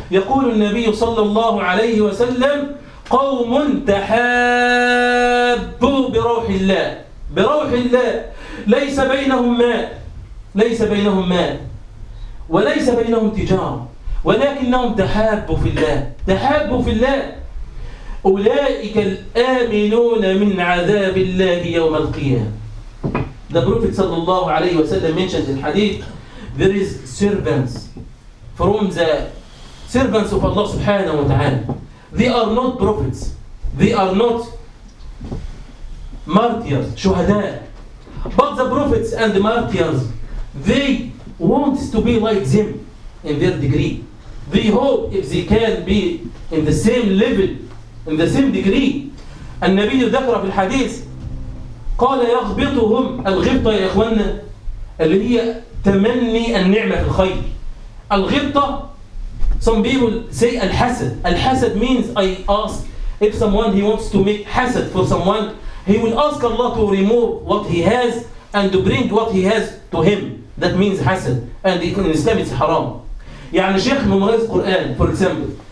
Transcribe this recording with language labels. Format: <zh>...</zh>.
<ar>يقول النبي صلى الله عليه وسلم قوم تحابوا بروح الله, بروح الله ليس بينهم مال, ليس بينهم مال وليس بينهم تجارة, ولكنهم تحابوا في الله, تحابوا في الله. أولئك الآمنون من عذاب الله يوم القيامة.</ar> <en>The Prophet صلى الله عليه وسلم mentioned in Hadith, there is servants from the servants of Allah سبحانه وتعالى. They are not prophets. They are not martyrs, شهداء. But the prophets and the martyrs, they want to be like them in their degree. They hope if they can be in the same level, in the same degree.</en> <ar>النبي ذكر في الحديث قال يغبطهم الغبطة يا إخوانا اللي هي تمني النعمة في الخير.</ar> <en>الغبطة some people say الحسد. الحسد means I ask if someone he wants to make حسد for someone, he will ask Allah to remove what he has and to bring what he has to him. That means حسد. And in Islam it's haram. يعني شيخ memorize Quran for example.</en>